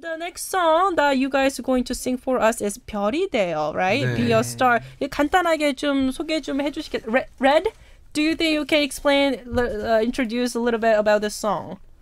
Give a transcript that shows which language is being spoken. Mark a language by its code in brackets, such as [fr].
[en] Song that you guys are going to sing for us is 별이 돼요, right? 네. Be your star. [ko] 간단하게 좀 소개 좀 해주시겠어요? [en] Red, do you think you can explain, introduce a little bit about this song?